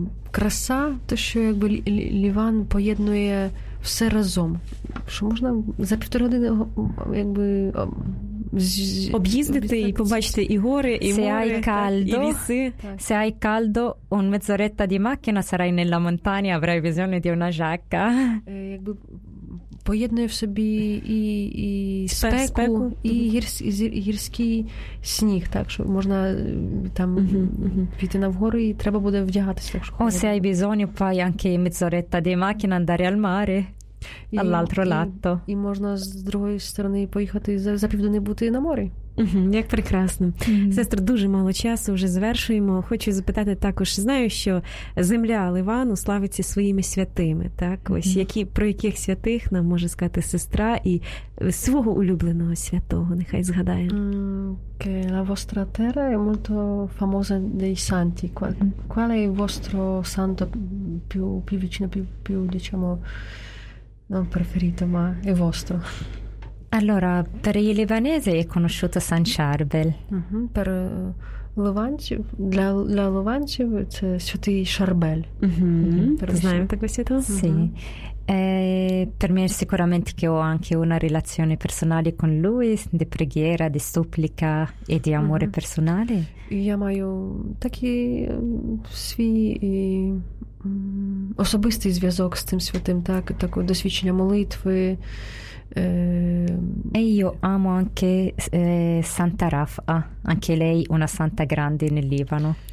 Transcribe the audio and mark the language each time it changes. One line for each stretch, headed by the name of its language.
Ukrainian: Краса, то що якби Ліван поєднує все разом, що можна за півтори години якби об'їздити і побачити і гори, і море,
Italian: hai caldo,
Ukrainian: і ліси.
Italian: Se hai caldo, un mezz'oretta di macchina sarai nella montagna, avrai bisogno di una giacca.
Ukrainian: Якби поєднує в собі і спеку, і гірський сніг, так що можна там піти на вгори і треба буде вдягатися, так що.
Italian: Se hai bisogno, fai anche mezz'oretta di macchina andare al mare. All'altro lato.
Ukrainian: І можна з другої сторони поїхати за південь бути на морі. Як прекрасно. Сестра, дуже мало часу, вже завершуємо. Хочу запитати також, знаю, що земля Ливану славиться своїми святими, так? Ось, які, про яких святих нам може сказати сестра і свого улюбленого святого, нехай згадає.
Italian: Che la vostra terra è molto famosa dei santi. Qual è il vostro santo più vicino, più diciamo... Non preferito, ma è vostro. Allora, per i libanesi è conosciuto San Charbel. Mm-hmm. Per
Ukrainian: Ливанців, для Ливанців це святий Шарбель. Mm-hmm. Знаємо такого святого?
Italian: Sì. Per me sicuramente che ho anche una relazione personale con lui, di preghiera, di supplica e di amore mm-hmm. personale.
Ukrainian: Я маю такі свій... особистий зв'язок з цим святим, так, таке досвідчення молитви.
Italian: E io amo anche Santa Raffa, anche lei una santa grande nel Libano.